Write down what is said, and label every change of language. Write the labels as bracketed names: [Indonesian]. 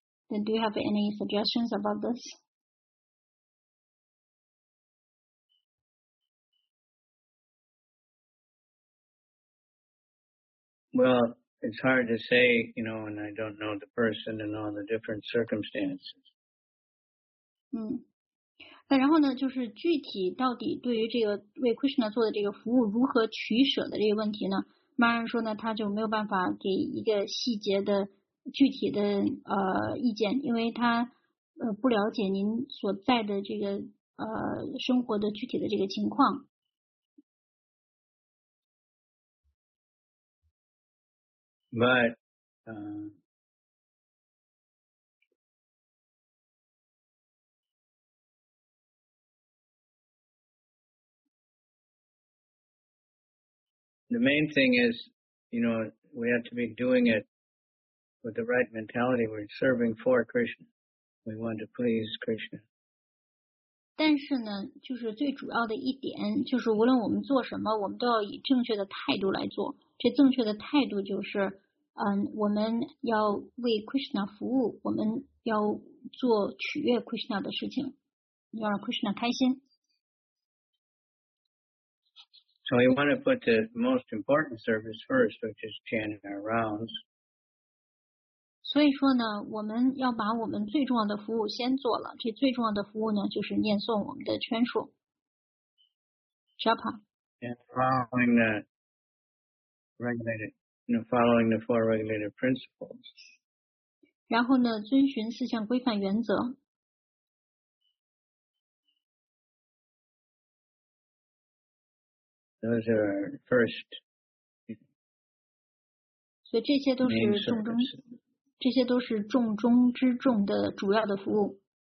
[English] Then do you have any suggestions about this? Well, it's hard to say, you know, and I don't know the person and all the different circumstances. [Chinese] 嗯，那然后呢，就是具体到底对于这个为 Krishna 做的这个服务如何取舍的这个问题呢？马上说呢，他就没有办法给一个细节的具体的意见，因为他不了解您所在的这个生活的具体的这个情况。 [English] But, the main thing is, you know, we have to be doing it with the right mentality. We're serving for Krishna. We want to please Krishna. [Chinese] 但是呢，就是最主要的一点，就是无论我们做什么，我们都要以正确的态度来做。这正确的态度就是我们要为 Krishna 服务，我们要做取悦 Krishna 的事情，要让 Krishna 开心。 [English] So we want to put the most important service first, which is chanting our rounds. [Chinese] 所以说呢，我们要把我们最重要的服务先做了。这最重要的服务呢，就是念诵我们的圈数。 [English] Japa. And following the regulated. You know, following the four regulated principles. [Chinese] 然后呢，遵循四项规范原则。 [English] Those are first. [Chinese] 所以这些都是重中，这些都是重中之重的主要的服务。